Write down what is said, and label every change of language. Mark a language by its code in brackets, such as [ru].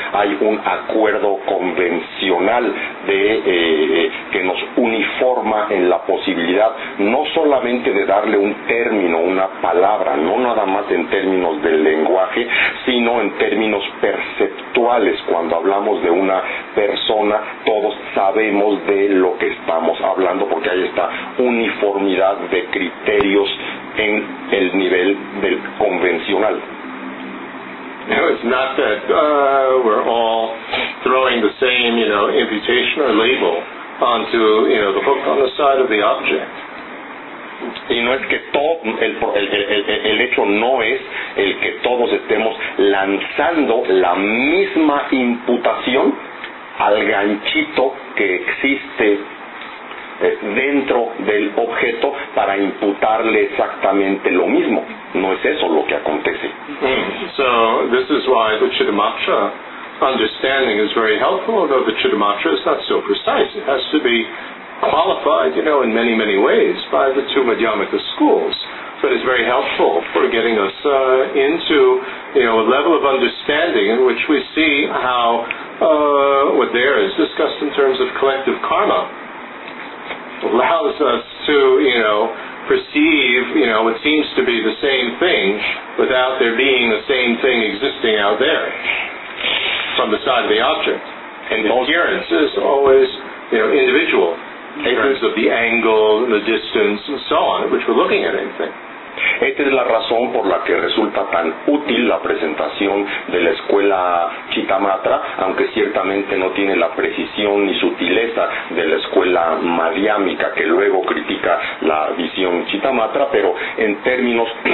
[es] Hay un acuerdo convencional de que nos uniforma en la posibilidad no solamente de darle un término, una palabra, no nada más en términos del lenguaje, sino en términos perceptuales. Cuando hablamos de una persona, todos sabemos de lo que estamos hablando, porque hay esta uniformidad de criterios en el nivel del convencional. [en] No, it's not that we're all throwing the same, imputation or label onto, the hook on the side of the object. [es] Y no es que todo, el hecho no es el que todos estemos lanzando la misma imputación al ganchito que existe dentro del objeto para imputarle exactamente lo mismo. No es eso lo que acontece. [en] So this is why the Chittamatra understanding is very helpful, although the Chittamatra is not so precise. It has to be qualified, in many, many ways by the two Madhyamaka schools. But it's very helpful for getting us into, a level of understanding in which we see how what there is discussed in terms of collective karma allows us to, perceive, what seems to be the same thing without there being the same thing existing out there from the side of the object. And the appearance is always, individual in terms of the angle, the distance, and so on, at which we're looking at anything. [es] Esta es la razón por la que resulta tan útil la presentación de la escuela Chittamatra, aunque ciertamente no tiene la precisión ni sutileza de la escuela madhyámica, que luego critica la visión Chittamatra, pero en términos